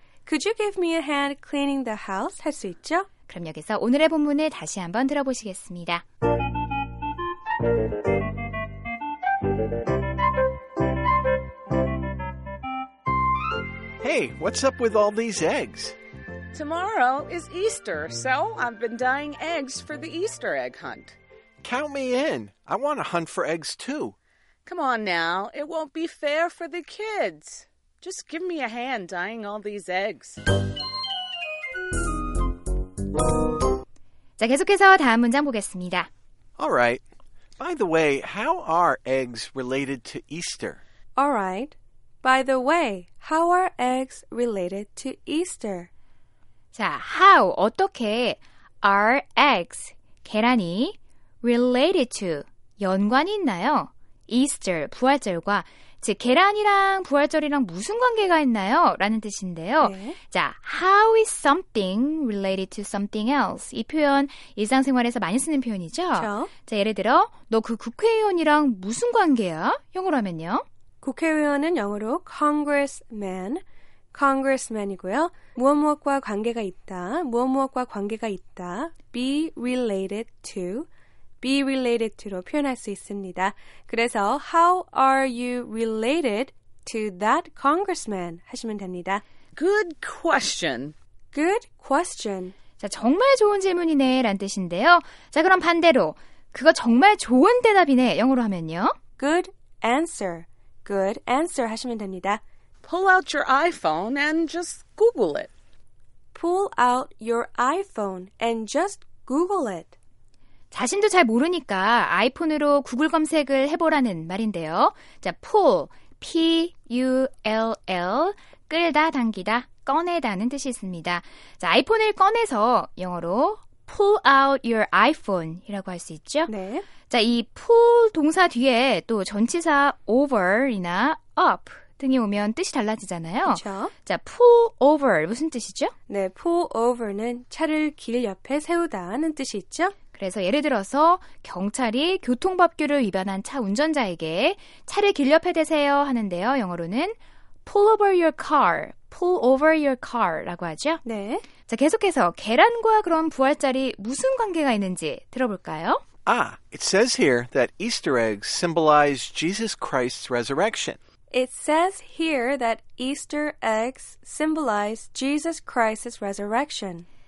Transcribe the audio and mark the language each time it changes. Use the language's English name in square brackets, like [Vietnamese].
[English] Could you give me a hand cleaning the house? [Korean] 할 수 있죠? 그럼 여기서 오늘의 본문을 다시 한번 들어보시겠습니다. [English] Hey, what's up with all these eggs? Tomorrow is Easter, so I've been dyeing eggs for the Easter egg hunt. Count me in. I want to hunt for eggs, too. Come on now. It won't be fair for the kids. Just give me a hand dyeing all these eggs. [Korean] 자, 계속해서 다음 문장 보겠습니다. [English] All right. By the way, how are eggs related to Easter? All right. By the way, how are eggs related to Easter? [Korean] 자, [English] how, [Korean] 어떻게, [English] are eggs, [Korean] 계란이, [English] related to, [Korean] 연관이 있나요? Easter, 부활절과, 즉, 계란이랑 부활절이랑 무슨 관계가 있나요? 라는 뜻인데요. 네. [English] 자, how is something related to something else? [Korean] 이 표현, 일상생활에서 많이 쓰는 표현이죠? 저. 자, 예를 들어, 너 그 국회의원이랑 무슨 관계야? 영어로 하면요. 국회의원은 영어로 congressman, congressman이고요. 무엇무엇과 관계가 있다. 무엇무엇과 관계가 있다. [English] Be related to. Be related to로 [Korean] 표현할 수 있습니다. 그래서 [English] How are you related to that congressman? [Korean] 하시면 됩니다. [English] Good question. Good question. [Korean] 자, 정말 좋은 질문이네 라는 뜻인데요. 자, 그럼 반대로 그거 정말 좋은 대답이네 영어로 하면요. [English] Good answer. Good answer [Korean] 하시면 됩니다. [English] pull out your iPhone and just Google it. Pull out your iPhone and just Google it. [Korean] 자신도 잘 모르니까 아이폰으로 구글 검색을 해보라는 말인데요. 자, pull, P-U-L-L, 끌다, 당기다, 꺼내다는 뜻이 있습니다. 자, 아이폰을 꺼내서 영어로 [English] pull out your iPhone [Korean] 이라고 할 수 있죠. 네. 자, 이 pull 동사 뒤에 또 전치사 over이나 up 등이 오면 뜻이 달라지잖아요. 그렇죠. 자, pull over 무슨 뜻이죠? 네, pull over는 차를 길 옆에 세우다는 뜻이 있죠. 그래서 예를 들어서 경찰이 교통법규를 위반한 차 운전자에게 차를 길 옆에 대세요 하는데요. 영어로는 [English] pull over your car, [Korean] pull over your car라고 하죠. 네. 자, 계속해서 계란과 그런 부활자리 무슨 관계가 있는지 들어볼까요? [English] Ah, it says here that Easter eggs symbolize Jesus Christ's resurrection. It says here that Easter eggs symbolize Jesus Christ's resurrection.